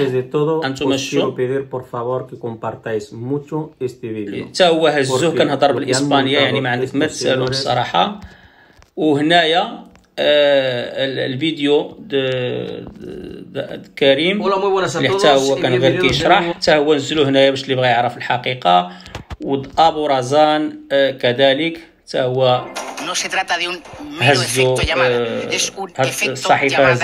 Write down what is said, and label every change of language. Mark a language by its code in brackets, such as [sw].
[es] Antes de todo, [ar] انتم [es] os quiero pedir por favor que compartáis mucho este video. [ar] حتى هو هزوه كنهضر بالاسبانيه يعني ما عندك ما تسالو بصراحه. وهنايا الفيديو د كريم اللي حتى هو كان غير كيشرح حتى هو نزلو هنايا باش اللي بغى يعرف الحقيقه. وابو رزان كذلك حتى هو [es] No se trata de un mero efecto llamada, es un efecto صحيفة llamada.